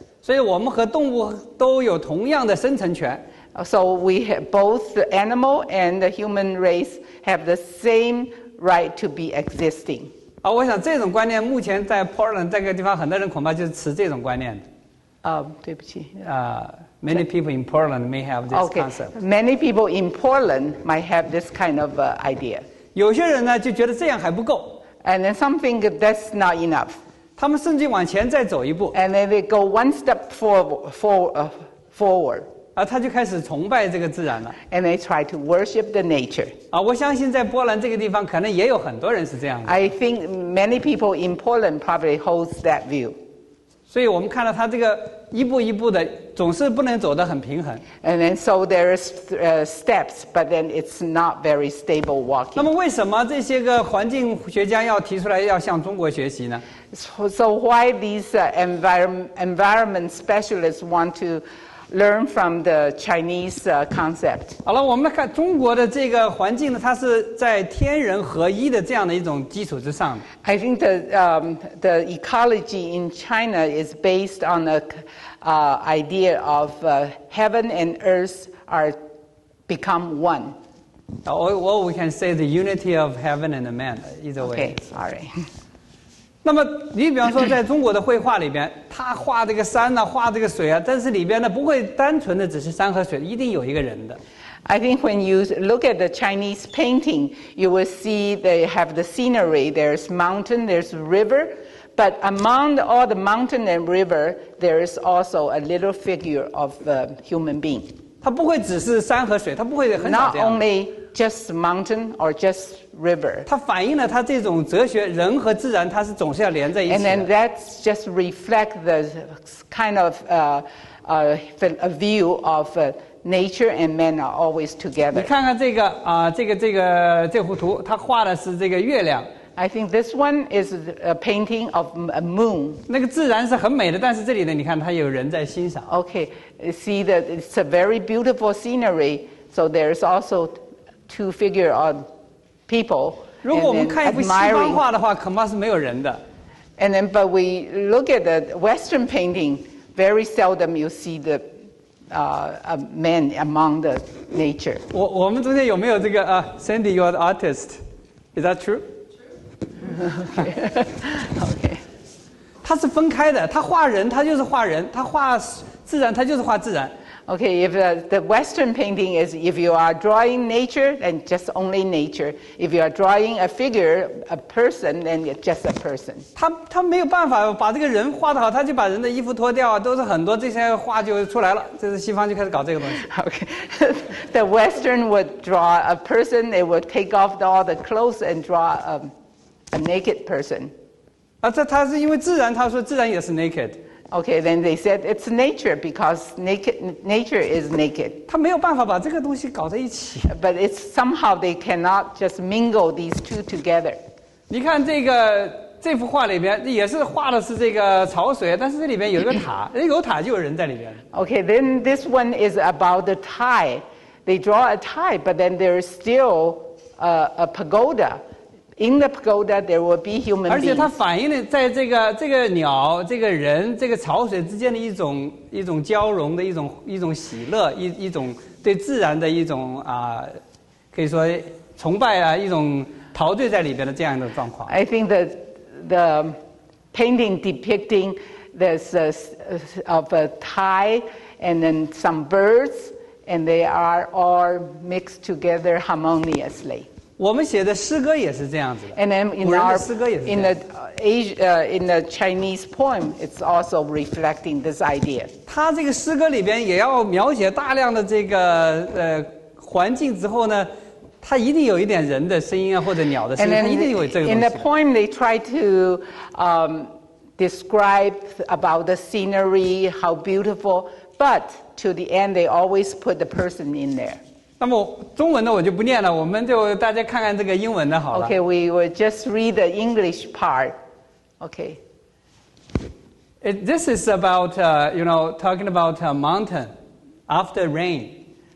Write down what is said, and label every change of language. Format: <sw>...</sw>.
<zh>所以我们和动物都有同样的生存权。</zh> <en>So we have both the animal and the human race have the same right to be existing.</en> <zh>啊，我想这种观念目前在 Portland 这个地方很多人恐怕就是持这种观念的。对不起。</zh> <en>Many people in Portland may have this okay, concept. Many people in Portland might have this kind of idea.</en> <zh>有些人呢就觉得这样还不够。</zh> <en>And then some think that's not enough.</en> <zh>他们甚至往前再走一步。</zh> <en>And then they go one step forward.</en> <zh>啊，他就开始崇拜这个自然了。</zh> <en>And they try to worship the nature.</en> <zh>啊，我相信在波兰这个地方，可能也有很多人是这样的。</zh> <en>I think many people in Poland probably holds that view.</en> <zh>所以我们看到他这个一步一步的，总是不能走得很平衡。</zh> <en>And then so there is steps, but then it's not very stable walking.</en> <zh>那么为什么这些个环境学家要提出来要向中国学习呢</zh> <en>？So why these environment specialists want to learn from the Chinese concept?</en> <zh>好了，我们来看中国的这个环境呢，它是在天人合一的这样的一种基础之上。</zh> <en>I think the ecology in China is based on the idea of heaven and earth are become one. Well, we can say the unity of heaven and man, either way. Okay, sorry.</en> <zh>那么你比方说在中国的绘画里边，他画这个山啊，画这个水啊，但是里边呢不会单纯的只是山和水，一定有一个人的。</zh> <en>I think when you look at the Chinese painting, you will see they have the scenery. There's mountain, there's river, but among all the mountain and river, there is also a little figure of a human being.</en> <zh>它不会只是山和水，它不会很少这样。</zh> <en>Not only just mountain or just river.</en> <zh>它反映了它这种哲学，人和自然它是总是要连在一起的。</zh> <en>And then that just reflects the kind of a view of nature and man are always together.</en> <zh>你看看这个啊、这幅图，它画的是这个月亮。</zh> <en>I think this one is a painting of a moon.</en> <zh>那个自然是很美的，但是这里呢，你看它有人在欣赏。</zh> <en>Okay, see that it's a very beautiful scenery. So there is also two figure of people.</en> <zh>如果我们看一幅西方画的话，恐怕是没有人的。</zh> <en>And then, but we look at the Western painting. Very seldom you see the a man among the nature.</en> <zh>我们中间有没有这个啊、</zh> <en>Sandy, you're the artist. Is that true? Okay.</en> <zh>它是分开的，它画人，它就是画人；它画自然，它就是画自然。</zh> <en>Okay, if the Western painting is if you are drawing nature, then just only nature. If you are drawing a figure, a person, then just a person.</en> <zh>它没有办法把这个人画得好，它就把人的衣服脱掉，都是很多这些画就出来了。这是西方就开始搞这个东西。</zh> <en>Okay, the Western would draw a person, they would take off all the clothes and draw a naked person.</en> <zh>啊，这他是因为自然，他说自然也是 naked.</zh> <en>Okay, then they said it's nature because nature is naked.</en> <zh>他没有办法把这个东西搞在一起。</zh> <en>But it's somehow they cannot just mingle these two together.</en> <zh>你看这幅画里边也是画的是这个潮水，但是这里边有一个塔，有塔就有人在里边。</zh> <en>Okay, then this one is about the tie. They draw a tie, but then there is still a pagoda. In the pagoda, there will be human beings.</en> <zh>而且它反映了在这个鸟、这个人、这个潮水之间的一种交融的一种喜乐，一种对自然的一种可以说崇拜啊，一种陶醉在里边的这样的状况。</zh> <en>I think the painting depicting this of a tie and then some birds and they are all mixed together harmoniously.</en> <zh>我们写的诗歌也是这样子的。</zh> <en>And then in our</en> <zh>古人的诗歌也是这样子的。</zh> <en>In the Chinese poem, it's also reflecting this idea.</en> <zh>他这个诗歌里边也要描写大量的这个环境之后呢，它一定有一点人的声音啊，或者鸟的声音，它一定有这个东西。</zh> <en>In the poem, they try to describe about the scenery, how beautiful, but to the end, they always put the person in there.</en> <zh>那么中文的我就不念了，我们就大家看看这个英文的好了。</zh> <en>Okay, we will just read the English part. Okay. This is about, you know, talking about a mountain after rain.</en>